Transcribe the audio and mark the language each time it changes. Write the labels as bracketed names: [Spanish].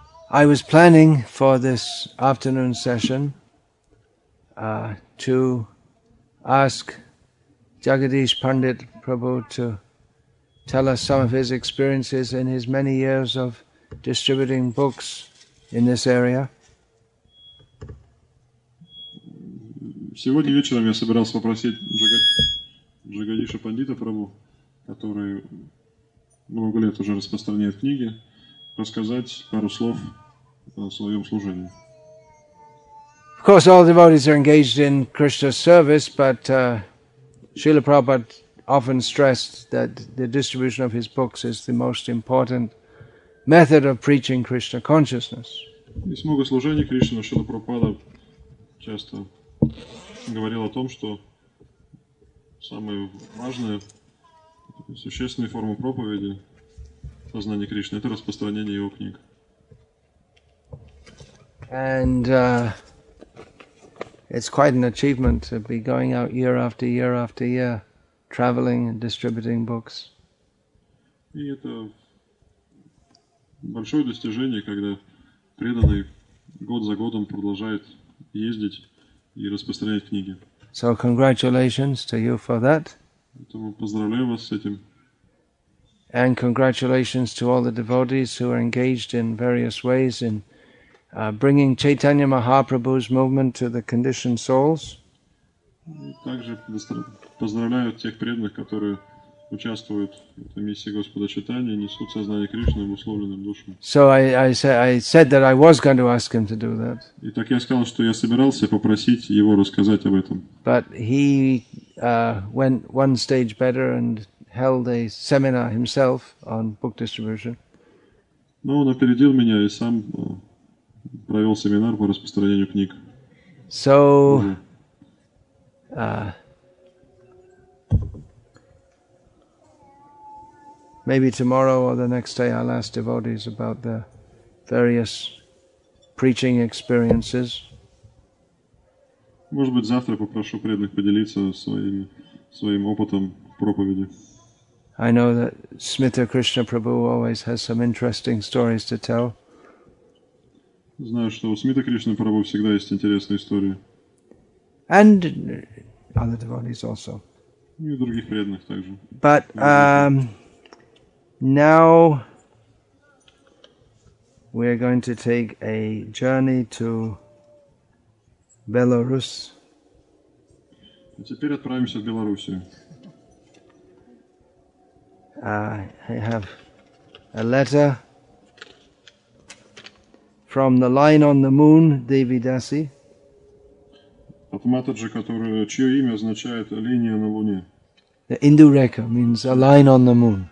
[English] I was planning for this afternoon session to ask Jagadish Pandit Prabhu to tell us some of his experiences in his many years of distributing books in this area. [Russian] Сегодня вечером я собирался попросить Джагадиша Пандита Прабу, который много лет уже распространяет книги, рассказать пару слов о своем служении. [English] Of course, all devotees are engaged in Krishna's service, but Srila Prabhupada often stressed that the distribution of his books is the most important method of preaching Krishna consciousness. [Russian] И много служений Кришны, Шрила Прабхупада часто говорил о том, что самые важные существенные формы проповеди сознания Кришны — это распространение его книг. [English] And it's quite an achievement to be going out year after year after year, traveling and distributing books. [Russian] И это большое достижение, когда преданный год за годом продолжает ездить и распространять книги. [English] So congratulations to you for that. [Russian] Поэтому поздравляю вас с этим. [English] And congratulations to all the devotees who are engaged in various ways in bringing Chaitanya Mahaprabhu's movement to the conditioned souls. [Russian] И также поздравляю тех преданных, которые участвуют в этой миссии Господа Чайтаньи и несут сознание Кришны в условленном душе. [English] So I said that I was going to ask him to do that. [Russian] И так я сказал, что я собирался попросить его рассказать об этом. [English] But he went one stage better and held a seminar himself on book distribution. [Russian] Но он опередил меня и сам провел семинар по распространению книг. [English] So maybe tomorrow or the next day I'll ask devotees about their various preaching experiences. [Russian] Может быть, завтра попрошу преданных поделиться своим опытом в проповеди. [English] I know that Smita Krishna Prabhu always has some interesting stories to tell. [Russian] Знаю, что у Смита Кришны Прабху всегда есть интересные истории. [English] And other devotees also. [Russian] И у других преданных также. [English] But now we are going to take a journey to Belarus. [Russian] Теперь отправимся в Белоруссию. [English] I have a letter from the line on the moon, Devi Dasi. [Russian] От Матаджи, чье имя означает линия на луне. [English] The Indureka means a line on the moon.